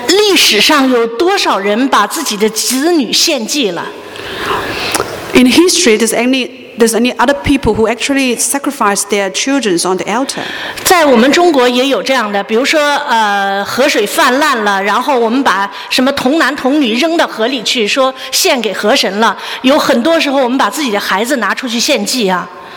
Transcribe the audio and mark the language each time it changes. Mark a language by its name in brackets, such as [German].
[Chinese] 历史上有多少人把自己的子女献祭了？ [English] In history, there's any other people who actually sacrifice their children on the altar. [Chinese] 在我们中国也有这样的，比如说河水泛滥了，然后我们把什么童男童女扔到河里去，说献给河神了。有很多时候我们把自己的孩子拿出去献祭啊。